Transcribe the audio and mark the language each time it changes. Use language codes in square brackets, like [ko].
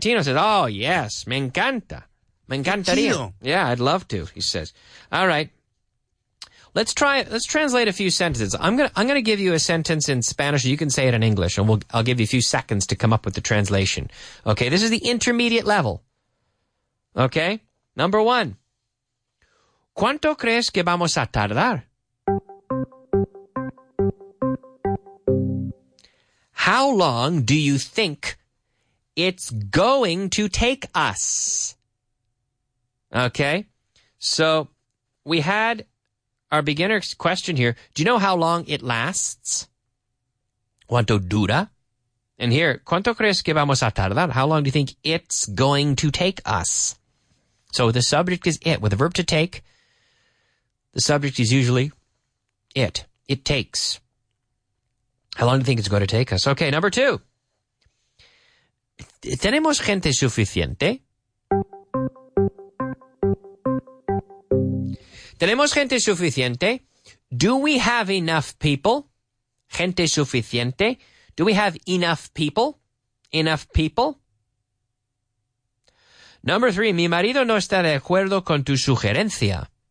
[es] Tino says, [en] oh, yes, [es] me encanta. Me encantaría. Tino. [en] Yeah, I'd love to, he says. All right. Let's try it. Let's translate a few sentences. I'm gonna give you a sentence in Spanish. You can say it in English, and I'll give you a few seconds to come up with the translation. Okay, this is the intermediate level. Okay, number one. [es] ¿Cuánto crees que vamos a tardar? [en] How long do you think it's going to take us? Okay, so we had our beginner's question here. Do you know how long it lasts? [es] ¿Cuánto dura? [en] And here, [es] ¿cuánto crees que vamos a tardar? [en] How long do you think it's going to take us? So the subject is it. With a verb to take, the subject is usually it. It takes. How long do you think it's going to take us? Okay, number two. [es] ¿Tenemos gente suficiente? ¿Tenemos gente suficiente? [en] Do we have enough people? [es] Gente suficiente. [en] Do we have enough people? Enough people. Number three. [es] Mi marido no está de acuerdo con tu sugerencia.